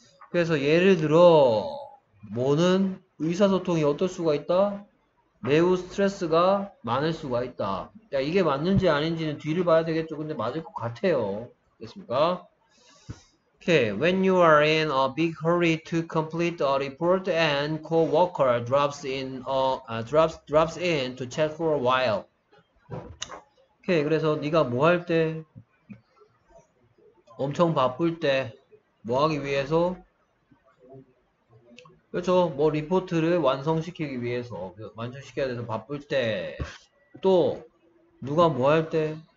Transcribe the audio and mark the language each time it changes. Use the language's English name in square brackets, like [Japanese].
[Korean] 그래서 예를 들어 뭐는 의사소통이 어떨 수가 있다? 매우 스트레스가 많을 수가 있다. 야 이게 맞는지 아닌지는 뒤를 봐야 되겠죠. 근데 맞을 것 같아요. 그렇습니까? [English] Okay, when you are in a big hurry to complete a report and co-worker drops in to chat for a while. Okay, [Korean] 그래서 네가 뭐할 때, 엄청 바쁠 때, 뭐 하기 위해서? 그렇죠. 뭐 리포트를 완성시키기 위해서, 완성시켜야 돼서 바쁠 때, 또 누가 뭐할 때?